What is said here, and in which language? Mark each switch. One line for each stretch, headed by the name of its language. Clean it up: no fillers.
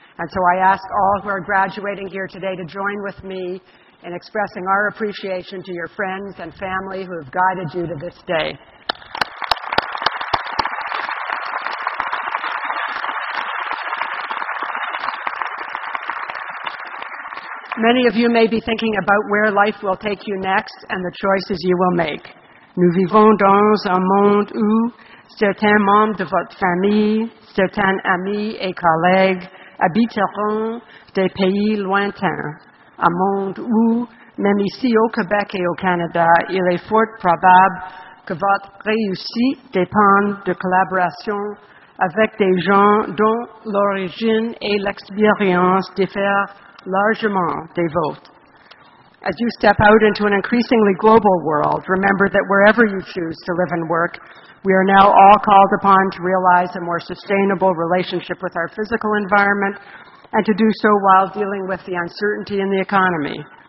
English: And so I ask all who are graduating here today to join with me in expressing our appreciation to your friends and family who have guided you to this day. Many of you may be thinking about where life will take you next and the choices you will make.
French: Nous vivons dans un monde où certains membres de votre famille, certains amis et collègues habiteront des pays lointains. Un monde où, même ici au Québec et au Canada, il est fort probable que votre réussite dépende de collaboration avec des gens dont l'origine et l'expérience diffèrent largement des vôtres.
English: As you step out into an increasingly global world, remember that wherever you choose to live and work, we are now all called upon to realize a more sustainable relationship with our physical environment and to do so while dealing with the uncertainty in the economy.